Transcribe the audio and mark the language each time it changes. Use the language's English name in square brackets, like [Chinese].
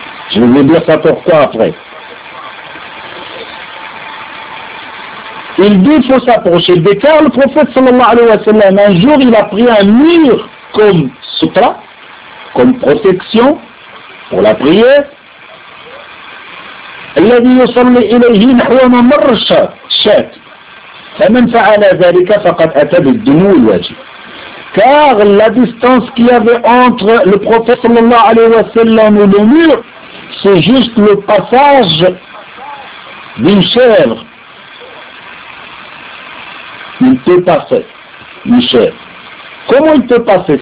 [French] Je vais vous dire ça pourquoi après. Il dit qu'il faut s'approcher. Car le prophète [Arabic] sallallahu alayhi wa sallam, [French] un jour il a pris un mur comme sutra, comme protection pour la prière. [Arabic] الذي يصلي إليه نحو ممر الشاة فمن فعل ذلك فقد أتى بالدنو الواجب. [French] Car la distance qu'il y avait entre le prophète [Arabic] sallallahu alayhi wa sallam [French] et le mur, c'est juste le passage d'une chèvre. Il peut passer, une chèvre. Comment il peut passer?